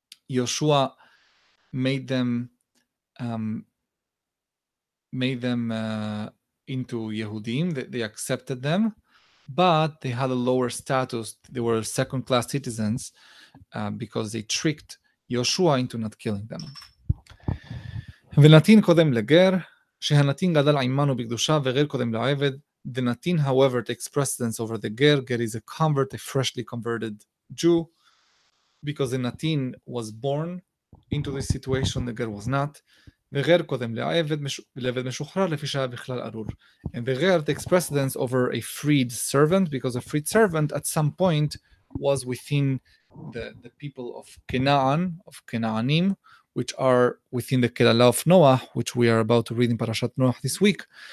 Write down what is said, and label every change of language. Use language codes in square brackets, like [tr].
[en] Yoshua made them into Yehudim. They accepted them, but they had a lower status. They were second-class citizens because they tricked Yoshua into not killing them. [he] ונתין קודם לגר, שהנתין גדל עימנו בקדושה וגר קודם לעבד. [en] The Natin, however, takes precedence over the Ger. Ger is a convert, a freshly converted Jew, because the Natin was born into this situation, the Ger was not. [he] וגר קודם לעבד משוחרר לפי שהיה בכלל ארור. [en] And the Ger takes precedence over a freed servant, because a freed servant at some point was within the people of Canaan, of Canaanim, which are within the Kelala of Noah, which we are about to read in Parashat Noah this week.